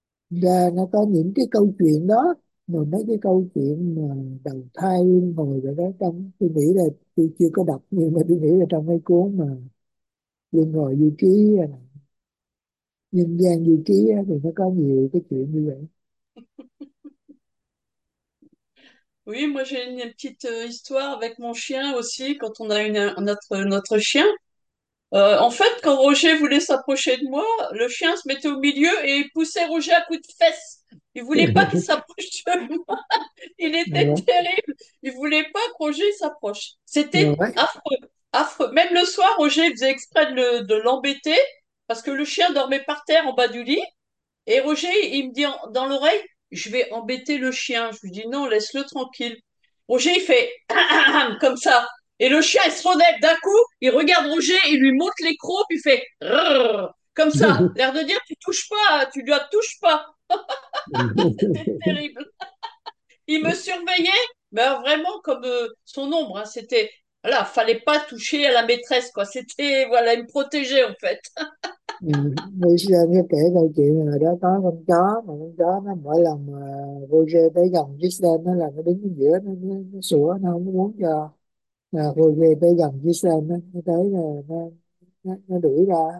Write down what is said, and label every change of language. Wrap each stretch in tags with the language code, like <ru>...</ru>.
<vi>Và nó có những cái câu chuyện đó, mà mấy cái câu chuyện mà đầu thai luân hồi rồi đó, trong tôi nghĩ là tôi chưa có đọc, nhưng mà tôi nghĩ là trong mấy cuốn mà luân hồi du ký, nhân gian du ký thì nó có nhiều cái chuyện như vậy.</vi> <fr>Oui, moi j'ai une petite histoire avec mon chien aussi, quand on a notre chien. En fait, quand Roger voulait s'approcher de moi, le chien se mettait au milieu et il poussait Roger à coups de fesses. Il voulait pas qu'il s'approche de moi. Il était Alors. terrible. Il voulait pas que Roger s'approche. Alors. C'était affreux, affreux. Même le soir, Roger faisait exprès de l'embêter parce que le chien dormait par terre en bas du lit. Et Roger, il me dit dans l'oreille, je vais embêter le chien. Je lui dis non, laisse-le tranquille. Roger, il fait comme ça. Et le chien, il se relève d'un coup, il regarde Roger, il lui monte les crocs, puis il fait comme ça. L'air de dire, tu touches pas, tu lui touches pas. C'était terrible. Il me surveillait, mais vraiment comme son ombre. Hein. C'était, voilà, fallait pas toucher à la maîtresse, quoi. C'était, voilà, il me protégeait, en fait.</fr> <vi>Mình kể câu chuyện là đó có con chó, mà con chó nó mỗi lần mà Roger tới gần Giselle nó là nó đứng ở giữa, nó sủa, nó không muốn cho Roger tới gần Giselle, nó tới là nó đuổi ra.</vi>